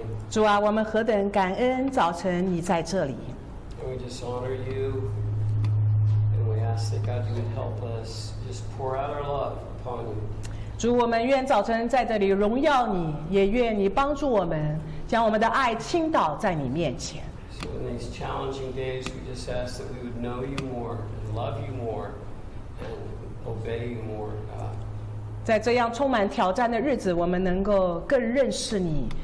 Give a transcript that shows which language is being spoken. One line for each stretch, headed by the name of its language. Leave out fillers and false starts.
Chinese: 主啊，我们何等感恩早晨你在这里。
English: And we just honor you, and we ask that God you would help us just pour out our love upon you.
Chinese: 主，我们愿早晨在这里荣耀你，也愿你帮助我们，将我们的爱倾倒在你面前。
English: So in these challenging days, we just ask that we would know you more, and love you more, and obey you more, God.
Chinese: 在这样充满挑战的日子，我们能够更认识你。